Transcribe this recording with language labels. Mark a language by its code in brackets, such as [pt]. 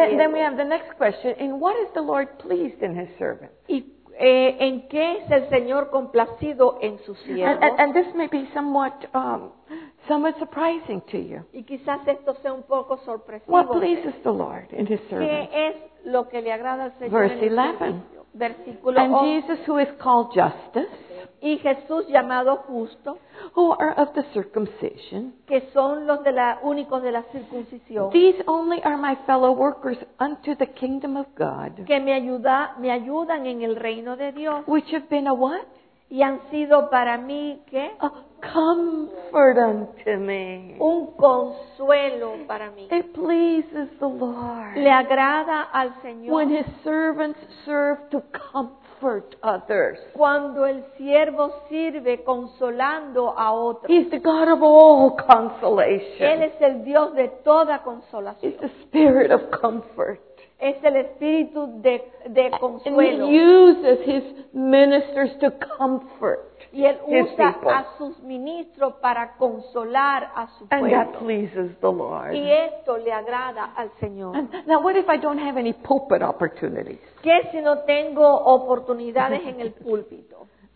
[en] And then we have the next question: in what is the Lord pleased in His servant? [es] ¿En qué es el Señor complacido en su siervo? [en] And this may be somewhat surprising to you. [es] Y quizás esto sea un poco sorpresivo. [en] What pleases the Lord in His servant? [es] ¿Qué es lo que le agrada al Señor? [en] Verse [es] 11. Versículo [en] 11. And Jesus, who is called justice, [es] y Jesús llamado justo, [en] who are of the circumcision, [es] que son los de la únicos de la circuncisión, [en] these only are my fellow workers unto the kingdom of God, [es] que me ayudan en el reino de Dios, [en] which have been a what, [es] y han sido para mí qué, [en] a comfort unto me, [es] un consuelo para mí. [en] It pleases the Lord, [es] le agrada al Señor, [en] when His servants serve to comfort others. [es] Cuando el siervo sirve consolando a otros. [en] He's the God of all consolation. [es] Él es el Dios de toda consolación. [en] He's the Spirit of comfort. [es] Es el espíritu de consuelo. [en] And He uses His ministers to comfort [es] y él [en] his [es] usa [en] people. [es] A sus ministros para consolar a su pueblo. [en] And that pleases the Lord. [es] Y esto le agrada al Señor. [en] And now, what if I don't have any pulpit opportunities? [es] ¿Qué si no tengo oportunidades en el púlpito?